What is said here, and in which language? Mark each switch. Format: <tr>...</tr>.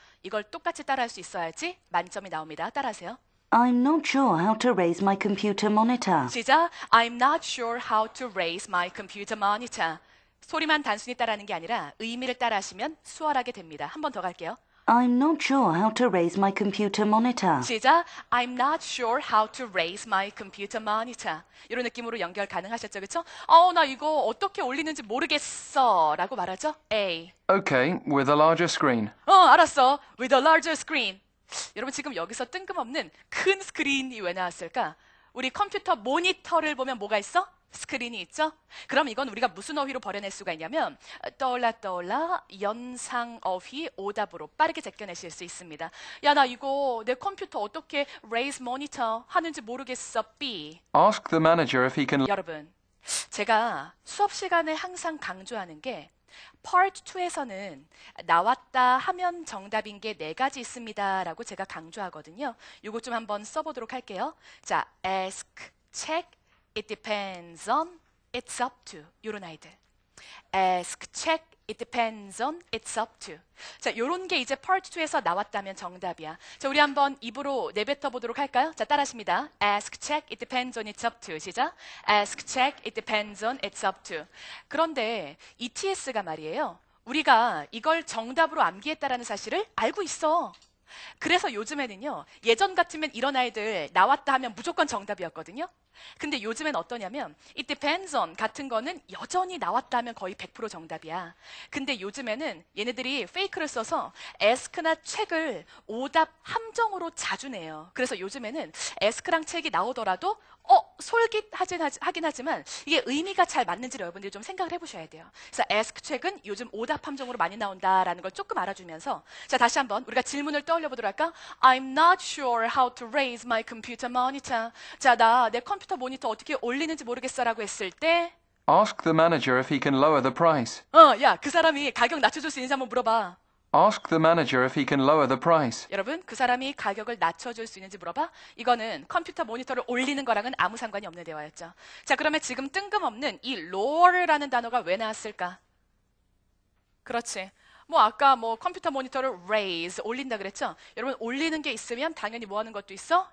<ko>이걸 똑같이 따라할 수 있어야지 만점이 나옵니다. 따라하세요.</ko> <en>I'm not sure how to raise my computer monitor.</en> <ko>시작!</ko> <en>I'm not sure how to raise my computer monitor.</en> <ko>소리만 단순히 따라하는 게 아니라 의미를 따라하시면 수월하게 됩니다. 한 번 더 갈게요.</ko> <en>I'm not sure how to raise my computer monitor.</en> <ko>시작!</ko> <en>I'm not sure how to raise my computer monitor.</en> <ko>이런 느낌으로 연결 가능하셨죠, 그렇죠? 나 이거 어떻게 올리는지 모르겠어 라고 말하죠?</ko> <en>A. Okay, with a larger screen.</en> <ko>알았어.</ko> <en>With a larger screen.</en> <ko>여러분 지금 여기서 뜬금없는 큰 스크린이 왜 나왔을까? 우리 컴퓨터 모니터를 보면 뭐가 있어? 스크린이 있죠? 그럼 이건 우리가 무슨 어휘로 버려낼 수가 있냐면 떠올라 연상 어휘 오답으로 빠르게 제껴내실 수 있습니다. 야, 나 이거 내 컴퓨터 어떻게</ko> <en>raise monitor</en> <ko>하는지 모르겠어. B.</ko> <en>Ask the manager if he can...</en> <ko>여러분, 제가 수업 시간에 항상 강조하는 게 Part 2에서는 나왔다 하면 정답인 게 네 가지 있습니다 라고 제가 강조하거든요. 이것 좀 한번 써보도록 할게요.</ko> <en>자, ask, check, it depends on, it's up to</en> <ko>이런 아이들.</ko> <en>Ask, check, it depends on, it's up to.</en> <ko>자, 이런 게 이제 Part 2에서 나왔다면 정답이야. 자, 우리 한번 입으로 내뱉어 보도록 할까요? 자, 따라하십니다.</ko> <en>Ask, check, it depends on, it's up to.</en> <ko>시작.</ko> <en>Ask, check, it depends on, it's up to.</en> <ko>그런데 ETS가 말이에요. 우리가 이걸 정답으로 암기했다라는 사실을 알고 있어. 그래서 요즘에는요. 예전 같으면 이런 아이들 나왔다 하면 무조건 정답이었거든요. 근데 요즘엔 어떠냐면</ko> <en>It depends on</en> <ko>같은 거는 여전히 나왔다 하면 거의 100% 정답이야. 근데 요즘에는 얘네들이 페이크를 써서 ask나 check을 오답 함정으로 자주 내요. 그래서 요즘에는 ask랑 check이 나오더라도 솔깃하긴 하지만 이게 의미가 잘 맞는지 여러분들이 좀 생각을 해보셔야 돼요. 그래서 ask, check은 요즘 오답 함정으로 많이 나온다라는 걸 조금 알아주면서 자 다시 한번 우리가 질문을 떠올려 보도록 할까?</ko> <en>I'm not sure how to raise my computer monitor.</en> <ko>자, 나 내 컴퓨터 모니터 어떻게 올리는지 모르겠어라고 했을 때</ko> <en>Ask the manager if he can lower the price.</en> <ko>야, 그 사람이 가격 낮춰줄 수 있는지 한번 물어봐.</ko> <en>Ask the manager if he can lower the price.</en> <ko>여러분, 그 사람이 가격을 낮춰줄 수 있는지 물어봐. 이거는 컴퓨터 모니터를 올리는 거랑은 아무 상관이 없는 대화였죠. 자, 그러면 지금 뜬금없는 이 lower라는 단어가 왜 나왔을까? 그렇지. 뭐 아까 뭐 컴퓨터 모니터를 raise, 올린다 그랬죠? 여러분, 올리는 게 있으면 당연히 뭐 하는 것도 있어?</ko>